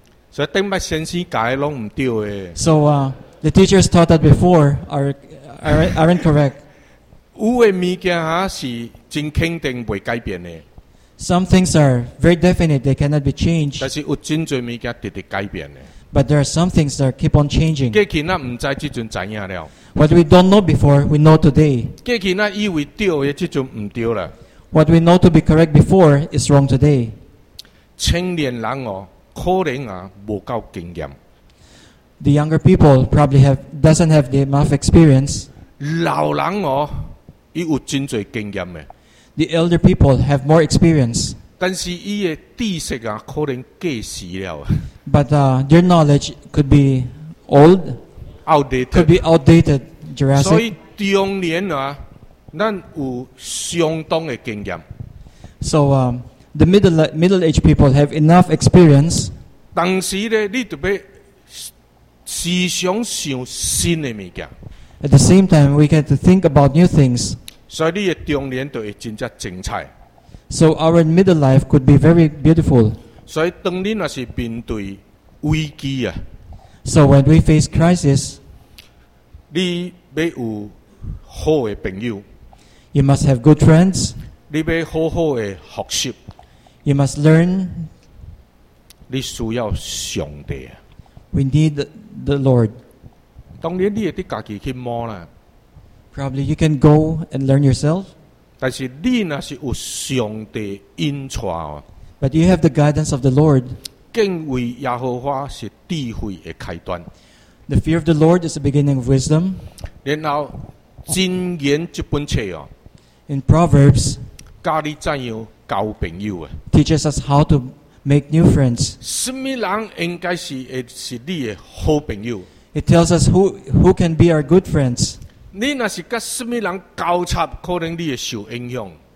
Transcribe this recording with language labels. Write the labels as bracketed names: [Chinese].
[Min Nan Chinese] 所以顶摆先生解拢唔对的。 [English] So the teachers taught that before aren't correct. [Min Nan Chinese] 有的物件哈是真肯定袂改变的。 [English] Some things are very definite; they cannot be changed. [Min Nan Chinese] 但是有真侪物件直直改变的。 [English] But there are some things that keep on changing. [Min Nan Chinese] 过去那唔知，即阵知影了。 [English] What we don't know before, we know today. [Min Nan Chinese] 过去那以为对的，即阵唔对了。 [English] What we know to be correct before is wrong today. [Min Nan Chinese] 青年人哦，可能啊，无够经验。 [English] The younger people probably doesn't have the enough experience. [Min Nan Chinese] 老人哦，伊有真侪经验的。 [English] The elder people have more experience. [Min Nan Chinese] 但是伊的知识啊，可能过时了。 [English] But their knowledge could be old, outdated. Could be outdated, Jurassic. [Min Nan Chinese] 所以中年啊，咱有相当的经验。 [English] So the middle-aged people have enough experience. [Min Nan Chinese] 当时咧，你特别思想想新的物件。 [English] At the same time, we get to think about new things. [Min Nan Chinese] 所以你的中年就会真正精彩。 [English] So our middle life could be very beautiful. [Min Nan Chinese] 所以当你若是面对危机啊 [English] ，So when we face crisis， [Min Nan Chinese] 你要有好的朋友 [English] ，You must have good friends。 [Min Nan Chinese] 你要好好的学习 [English] ，You must learn。 [Min Nan Chinese] 你需要上帝啊 [English] ，We need the Lord。 [Min Nan Chinese] 当然你也得自己去摸啦 [English] ，Probably you can go and learn yourself。 [Min Nan Chinese] 但是你那是有上帝引导。 [English] But you have the guidance of the Lord. [Min Nan Chinese] 敬畏耶和华是智慧的开端。 [English] The fear of the Lord is the beginning of wisdom. [Min Nan Chinese] 然后箴言这本册哦。 [English] In Proverbs, [Min Nan Chinese] 教你怎样交朋友啊。 [English] Teaches us how to make new friends. [Min Nan Chinese] 什么人应该是你的好朋友 [English] ？It tells us who can be our good friends. [Min Nan Chinese] 你那是跟什么人交叉，可能你会受影响。